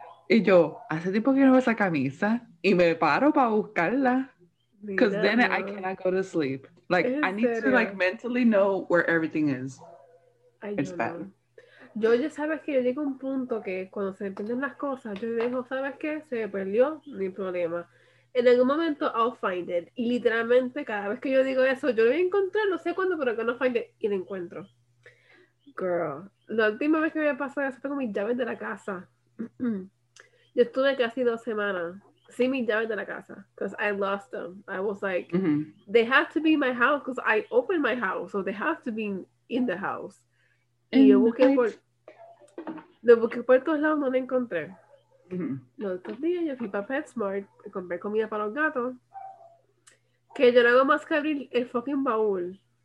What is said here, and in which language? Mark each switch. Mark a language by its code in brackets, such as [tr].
[es] Y yo, hace tiempo que no veo esa camisa. Y me paro para buscarla. [en] Because then I cannot go to sleep. Like, I need to, like, mentally know where everything is. It's bad. [es] Yo ya sabes que yo llego a un punto que cuando se me pierden las cosas, yo digo, ¿sabes qué? Se me perdió, ni problema. En algún momento, [en] I'll find it. [es] Y literalmente, cada vez que yo digo eso, yo lo voy a encontrar, no sé cuándo, pero que no [en] find it. [es] Y lo encuentro. Girl, la última vez que me había pasado eso fue con mis llaves de la casa. Yo estuve casi 2 semanas sin mis llaves de la casa. [en] Because I lost them. I was like, they have to be in my house because I opened my house. So they have to be in the house. [es] Y yo busqué por todos lados, no la encontré. Los otros días yo fui para PetSmart, compré comida para los gatos. Que yo no hago más que abrir el fucking baúl.